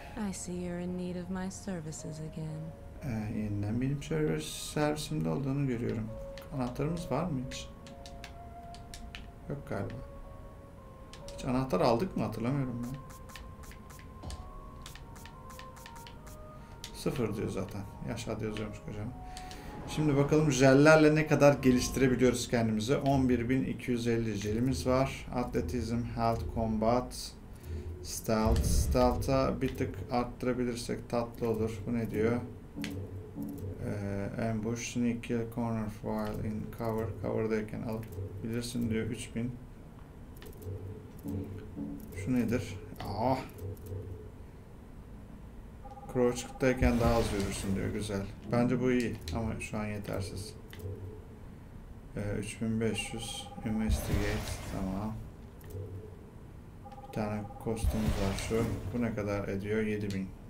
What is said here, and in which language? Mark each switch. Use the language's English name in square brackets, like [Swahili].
[English] I see you're in need of my services again. [Turkish] Yeniden benim servisimde olduğunu görüyorum. Anahtarımız var mı hiç? Yok galiba. Hiç anahtar aldık mı, hatırlamıyorum ben. Sıfır diyor zaten. Yaşa yazıyormuş kocaman. Şimdi bakalım jellerle ne kadar geliştirebiliyoruz kendimizi. 11.250 jelimiz var. Atletizm, health, combat, stealth. Stealth'a bir tık arttırabilirsek tatlı olur. Bu ne diyor? [English] Ambush, sneak, kill, corner, while in cover. [Turkish] Cover'dayken alabilirsin diyor. 3000. Şu nedir? Ah! Crouch'tayken daha az yürürsün diyor. Güzel. Bence bu iyi ama şu an yetersiz. 3500. Investigate. Tamam. Bir tane kostümümüz var şu. Bu ne kadar ediyor? 7000.